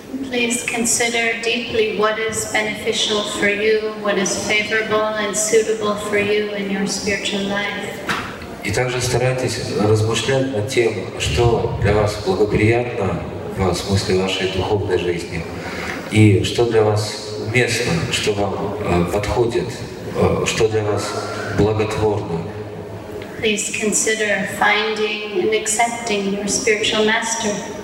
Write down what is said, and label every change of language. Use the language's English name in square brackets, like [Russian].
[English] Please consider deeply what is beneficial for you, what is favorable and suitable for you in your spiritual life. [Russian] И также старайтесь размышлять над тем, что для вас благоприятно в смысле вашей духовной жизни, и что для вас уместно, что вам подходит, что для вас благотворно. [English] Please consider finding and accepting your spiritual master.